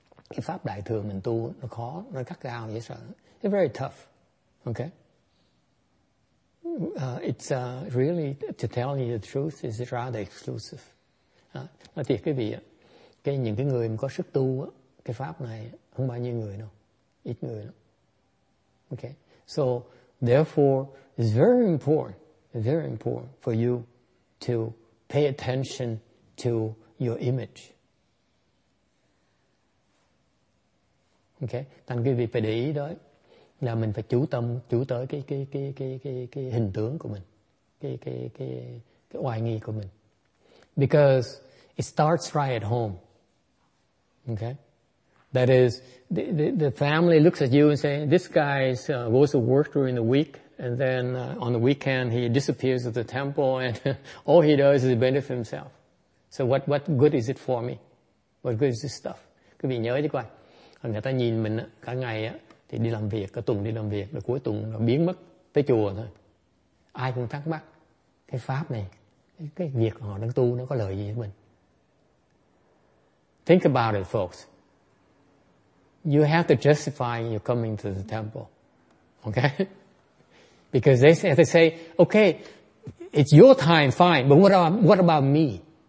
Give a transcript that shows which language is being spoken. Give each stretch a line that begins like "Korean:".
Vietnamese: cái pháp đại thừa mình tu nó khó, nó cắt gao dễ sợ.
English: It's very tough. Okay. It's really, to tell you the truth, is rather exclusive.
Vietnamese: Nói thiệt quý vị, cái những cái người mà có sức tu cái pháp này không bao nhiêu người đâu, ít người lắm.
English: Okay. So therefore, it's very important for you to pay attention to your image. Okay.
Vietnamese: Thành quý vị phải để ý đó, là mình phải chú tâm chú tới cái hình tướng của mình, cái oai nghi của mình.
English: Because it starts right at home. Okay? That is, the family looks at you and say, this guy goes to work during the week, and then on the weekend he disappears at the temple, and all he does is benefit himself. So what good is it for me? What good is this stuff?
Vietnamese: Quý vị nhớ chứ coi. Người ta nhìn mình cả ngày á, thì đi làm việc, cả tuần đi làm việc, rồi cuối tuần nó biến mất tới chùa thôi. Ai cũng thắc mắc, cái pháp này, cái việc họ đang tu nó có lợi gì với mình?
English: Think about it, folks. You have to justify your coming to the temple. Okay? Because they say, okay, it's your time, fine, but what about me?